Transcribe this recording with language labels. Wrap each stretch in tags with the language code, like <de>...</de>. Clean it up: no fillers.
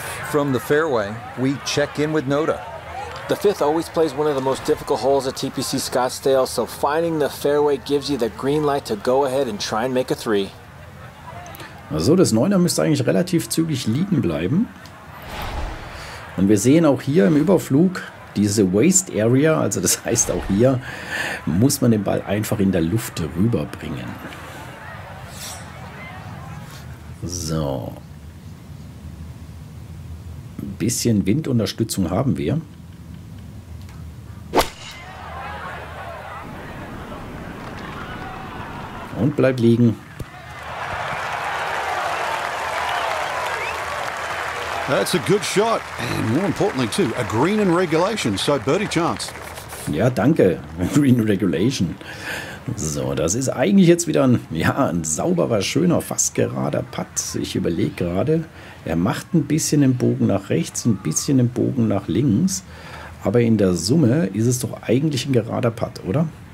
<en>From the fairway, we check in with Noda. The fifth always plays one of the most difficult holes at TPC Scottsdale, so finding the fairway gives you the green light to go ahead and try and make a three.</en> <de>Also das Neuner müsste eigentlich relativ zügig liegen bleiben. Und wir sehen auch hier im Überflug diese Waste Area, also das heißt auch hier, muss man den Ball einfach in der Luft rüberbringen. So. Ein bisschen Windunterstützung haben wir. Und bleibt liegen.</de> <en>That's a good shot. And more importantly too, a green in regulation. So birdie chance.</en> <de>Ja, danke. Green regulation. So, das ist eigentlich jetzt wieder ein sauberer, schöner, fast gerader Putt. Ich überlege gerade. Er macht ein bisschen den Bogen nach rechts, ein bisschen den Bogen nach links. Aber in der Summe ist es doch eigentlich ein gerader Putt, oder?</de>